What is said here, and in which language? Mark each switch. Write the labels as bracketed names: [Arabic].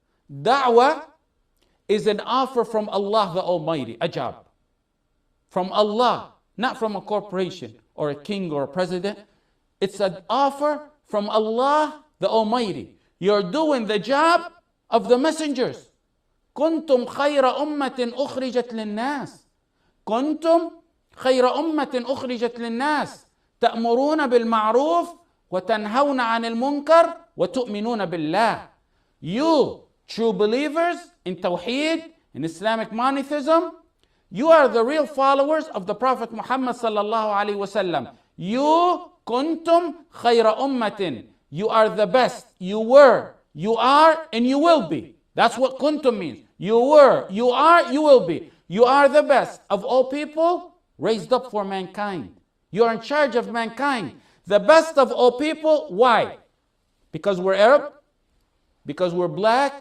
[English] Da'wah is an offer from Allah the Almighty, a job. From Allah, not from a corporation or a king or a president. It's an offer from Allah the Almighty. You're doing the job of the messengers. [Arabic] كنتم خير أمة أخرجت للناس. كنتم خير أمة أخرجت للناس. تأمرون بالمعروف وتنهون عن المنكر وتؤمنون بالله. [English] You, true believers in Tawheed, in Islamic monotheism, you are the real followers of the Prophet Muhammad صلى الله عليه وسلم. You, [Arabic] كنتم خير أمة. [English] You are the best. You were, you are, and you will be. That's what kuntum means. You were, you are, you will be. You are the best of all people raised up for mankind. You are in charge of mankind. The best of all people, why? Because we're Arab? Because we're black?